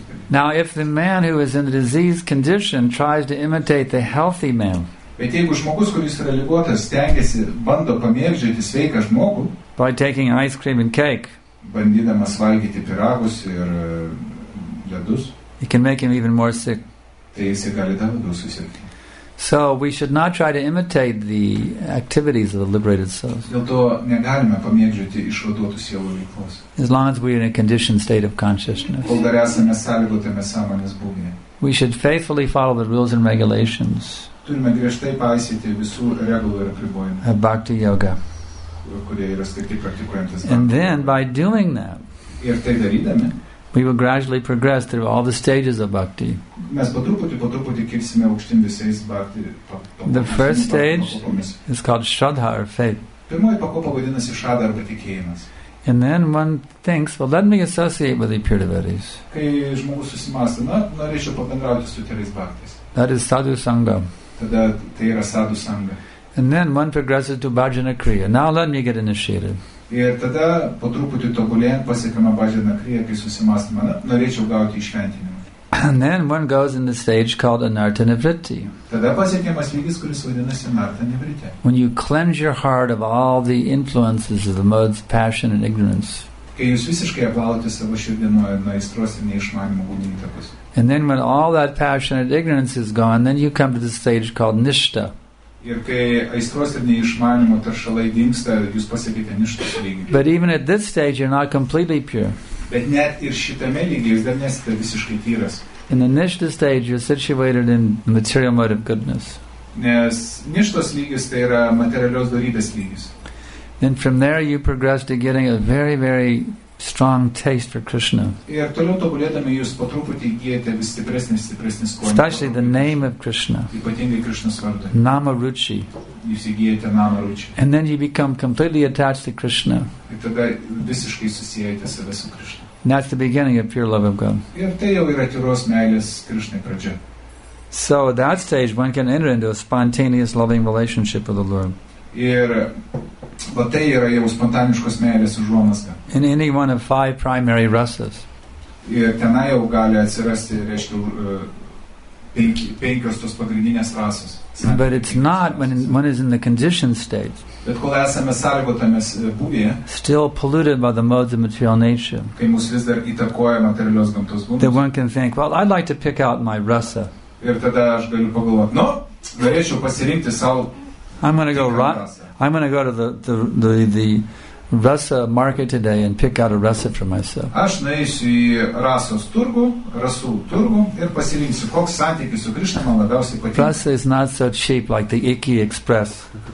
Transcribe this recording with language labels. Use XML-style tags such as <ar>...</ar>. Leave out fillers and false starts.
<en>Now, if the man who is in the diseased condition tries to imitate the healthy man,</en> <lt>bet jeigu žmogus, kuris yra ligotas, stengiasi, bando pamėgdžioti sveiką žmogų,</lt> <en>by taking ice cream and cake,</en> <lt>bandydamas valgyti pyragus ir ledus,</lt> <en>it can make him even more sick.</en> <lt>Tai jis gali dar labiau susirgti.</lt> <en>So we should not try to imitate the activities of the liberated souls.</en> <lt>Dėl to negalime pamėgdžioti išvaduotų sielų veiklos.</lt> <en>As long as we are in a conditioned state of consciousness,</en> <lt>kol dar esame sąlygotame sąmonės būvyje,</lt> <en>we should faithfully follow the rules and regulations.</en> <lt>Turime griežtai paisyti visų regulų ir apribojimų.</lt> <en>Bhakti yoga. And then by doing that,</en> <lt>ir tai darydami,</lt> <en>we will gradually progress through all the stages of bhakti.</en> <lt>Mes po truputį kilsime aukštyn visais bhakti.</lt> <en>The first stage is called shraddha or faith.</en> <lt>Pirmoji pakopa vadinasi shraddha arba tikėjimas.</lt> <en>And then one thinks, well, let me associate with the pure devotees.</en> <lt>Kai žmogus susimąsta, na, norėčiau pabendrauti su tais bhaktais.</lt> <en>That is sadhu sangha.</en> <lt>Tada tai yra sadhu sangha.</lt> <en>And then one progresses to bhajana kriya. Now let me get initiated.</en> <lt>Ir tada po truputį tobulėjant pasiekama bhajana kriya, kai susimąstama, norėčiau gauti įšventinimą.</lt> <en>And then one goes in the stage called anartha nivritti.</en> <lt>Tada pasiekiamas lygis, kuris vadinasi anartha nivritti.</lt> <en>When you cleanse your heart of all the influences of the modes, passion and ignorance.</en> <lt>Kai jūs visiškai apvalote savo širdį nuo aistros ir neišmanimo būdų įtakos.</lt> <en>And then when all that passion and ignorance is gone, then you come to the stage called nishta.</en> <lt>Ir kai aistros ir neišmanimo taršalai dingsta, jūs pasiekite ništos lygį.</lt> <en>But even at this stage you're not completely pure.</en> <lt>Bet net ir šitame lygyje jūs dar nesate visiškai tyras.</lt> <en>In the nishta stage you're situated in the material mode of goodness.</en> <lt>Nes ništos lygis tai yra materialios dorybės lygis.</lt> <en>And from there you progress to getting a very, very strong taste for Krishna.</en> <lt>Ir toliau tobulėdami jūs po truputį įgyjate vis stipresnį ir stipresnį skonį.</lt> <en>Especially the name of Krishna.</en> <lt>Ypatingai Krishnos vardą.</lt> <en>Nama Ruchi.</en> <lt>Jūs įgyjate Nama Ruchi.</lt> <en>And then you become completely attached to Krishna.</en> <lt>Ir tada visiškai susijęjate save su Krishna.</lt> <en>And that's the beginning of pure love of God.</en> <lt>Ir tai jau yra tyros meilės Krishnai pradžia.</lt> <en>So at that stage one can enter into a spontaneous loving relationship with the Lord.</en> <lt>Ir va tai yra jau spontaniškos meilės užuomazga.</lt> <en>In any one of five primary rasas.</en> <lt>Ir tenai jau gali atsirasti, reiškia, penkios tos pagrindinės rasos.</lt> <en>But it's not when one is in the condition stage.</en> <lt>Bet kol esame sąlygotamės būvėje.</lt> <en>Still polluted by the modes of material nature.</en> <lt>Kai mus vis dar įtakoja materialios gamtos būdas.</lt> <en>Then one can think, well, I'd like to pick out my rasa.</en> <lt>Ir tada aš galiu pagalvoti, no, norėčiau pasirinkti savo.</lt> <en>I'm going to go to the rasa market today and pick out a rasa for myself.</en> <lt>Aš nueisiu į rasų turgų ir pasirinksiu, koks santykis su Krishna man labiausiai patinka.</lt> <en>Rasa is not so cheap like the Iki Express.</en>